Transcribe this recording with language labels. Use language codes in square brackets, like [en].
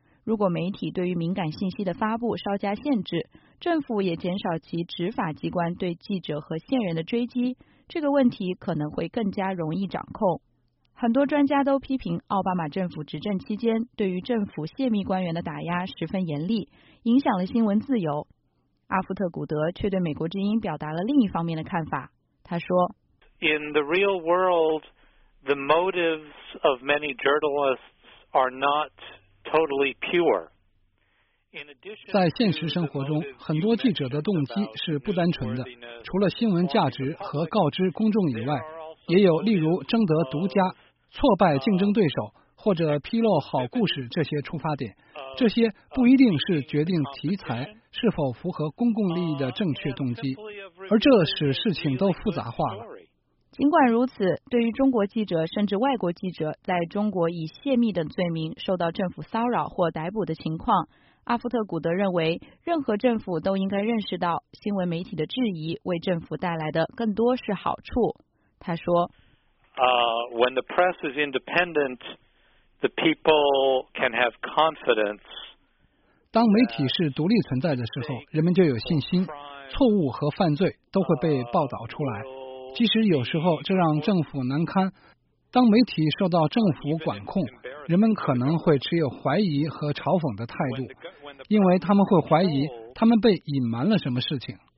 [zh] 如果媒体对于敏感信息的发布稍加限制，政府也减少其执法机关对记者和线人的追击，这个问题可能会更加容易掌控。很多专家都批评奥巴马政府执政期间对于政府泄密官员的打压十分严厉，影响了新闻自由。阿夫特古德却对美国之音表达了另一方面的看法，他说， [en] In the real world, the motives of many journalists are not totally pure. [zh] 在现实生活中，很多记者的动机是不单纯的，除了新闻价值和告知公众以外，也有例如争得独家、挫败竞争对手或者披露好故事这些出发点，这些不一定是决定题材是否符合公共利益的正确动机，而这使事情都复杂化了。尽管如此，对于中国记者甚至外国记者在中国以泄密等罪名受到政府骚扰或逮捕的情况，阿夫特古德认为，任何政府都应该认识到新闻媒体的质疑为政府带来的更多是好处。他说， [en] When the press is independent, the people can have confidence. [zh] 当媒体是独立存在的时候，人们就有信心，错误和犯罪都会被报道出来，即使有时候这让政府难堪。当媒体受到政府管控，人们可能会持有怀疑和嘲讽的态度，因为他们会怀疑他们被隐瞒了什么事情。